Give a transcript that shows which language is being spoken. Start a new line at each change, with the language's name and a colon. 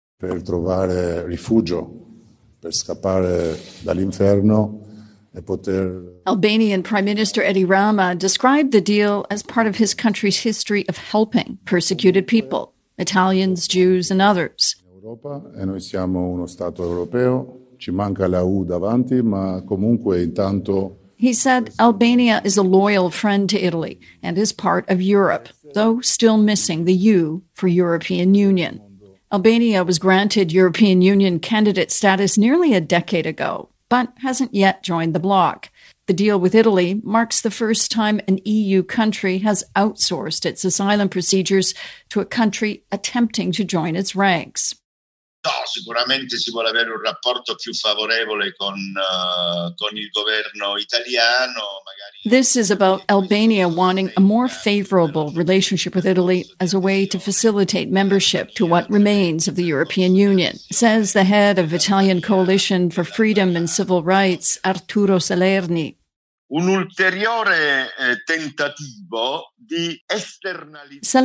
Italian: Per trovare rifugio, per scappare dall'inferno.
English: Albanian Prime Minister Edi Rama described the deal as part of his country's history of helping persecuted people, Italians, Jews, and others.
Italian: Europa e noi siamo uno stato europeo. Ci manca la U davanti, ma comunque intanto.
English: He said Albania is a loyal friend to Italy and is part of Europe, though still missing the U for European Union. Albania was granted European Union candidate status nearly a decade ago, but hasn't yet joined the bloc. The deal with Italy marks the first time an EU country has outsourced its asylum procedures to a country attempting to join its ranks.
Italian: No, sicuramente si vuole avere un rapporto più favorevole con il governo italiano.
English: This is about Albania wanting a more favorable relationship with Italy as a way to facilitate membership to what remains of the European Union, says the head of Italian Coalition for Freedom and Civil Rights, Arturo Salerni.
Italian: Un ulteriore tentativo di esternalizzare.